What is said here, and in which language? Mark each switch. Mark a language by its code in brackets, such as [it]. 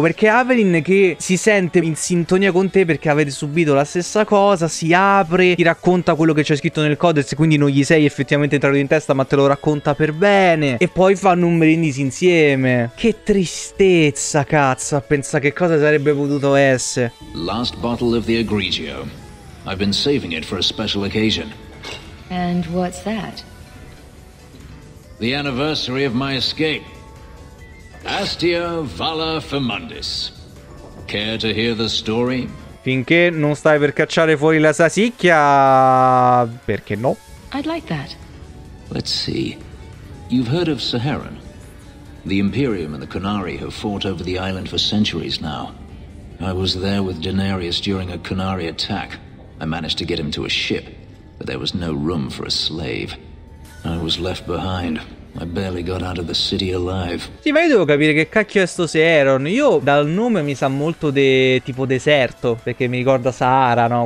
[it] Perché Avelyn che si sente insieme sintonia con te perché avete subito la stessa cosa, si apre, ti racconta quello che c'è scritto nel codex, quindi non gli sei effettivamente entrato in testa, ma te lo racconta per bene, e poi fanno un brindisi insieme. Che tristezza, cazzo, pensa che cosa sarebbe potuto essere. [en] Last bottle of the egregio. I've been saving it for a special occasion. And what's that? the anniversary of my escape. Astia Valla Femundis. Care to hear the story? [it] Finché non stai per cacciare fuori la sasicchia, perché no? [en] I'd like that. Let's see. You've heard of Saharan. The Imperium and the Qunari have fought over the island for centuries now. I was there with Daenerys during a Qunari attack. I managed to get him to a ship, but there was no room for a slave. I was left behind. I barely got out of the city alive. [it] Sì, ma io devo capire che cacchio è sto Saharan. Io dal nome mi sa molto di tipo deserto, perché mi ricorda Sahara, no?